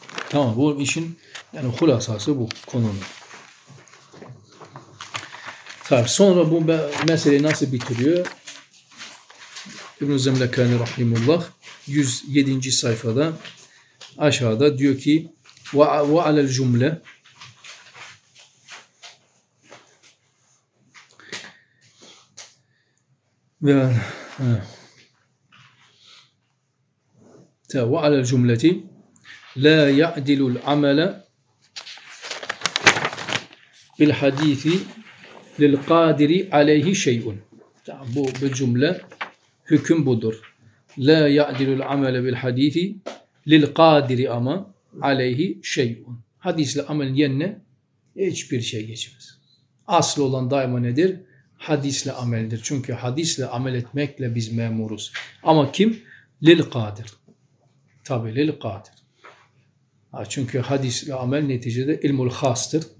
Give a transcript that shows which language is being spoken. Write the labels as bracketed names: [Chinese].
[Turkish] Tamam, bu işin yani hulasası bu konunun. Tamam, sonra bu meseleyi nasıl bitiriyor? İbn-i Zemlekani Rahimullah 107. sayfada aşağıda diyor ki [Arabic] وَعَلَى الْجُمْلَ وعلى الجملة لا يعدل العمل بالحديث للقادر عليه شيء. [Turkish] Bu بالجملة hüküm budur. [Arabic] لا يعدل العمل بالحديث للقادر أما عليه شيء. [Turkish] Hadisle amel yenne hiçbir şey geçmez. Asıl olan daima nedir? Hadisle ameldir. Çünkü hadisle amel etmekle biz memuruz. Ama kim? Lil kadir. Tabi lil kadir. Çünkü hadisle amel neticede ilmul khastır.